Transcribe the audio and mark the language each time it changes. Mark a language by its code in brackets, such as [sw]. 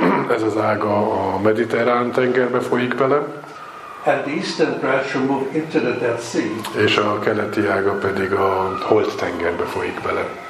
[hu] Ez az ág a mediterrán tengerbe folyik bele. [en] And the eastern branch will move into the Dead Sea. [hu] És a keleti ága pedig a Holt tengerbe folyik bele.